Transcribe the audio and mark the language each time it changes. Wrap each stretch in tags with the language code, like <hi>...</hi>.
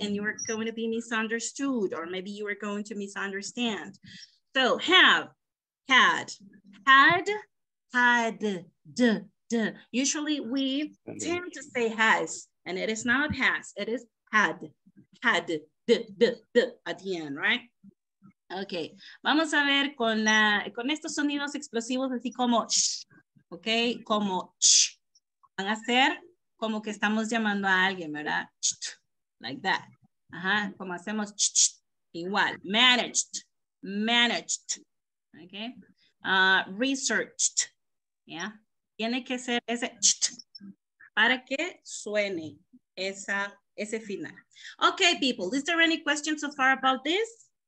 <en>And you are going to be misunderstood, or maybe you are going to misunderstand. So have, had, had, had, d, d. Usually we tend to say has, and it is not has, it is had, had, d, d, d, at the end, right?</en> <es>Okay, vamos a ver con la, con estos sonidos explosivos así como sh, okay, como sh, van a ser como que estamos llamando a alguien, ¿verdad? Sh,</es> <en>like that,</en> <es>ajá, como hacemos sh, sh, igual, managed, managed, okay, researched, yeah, tiene que ser ese sh, para que suene esa, ese final.</es> <en>Okay, people, is there any questions so far about this?</en>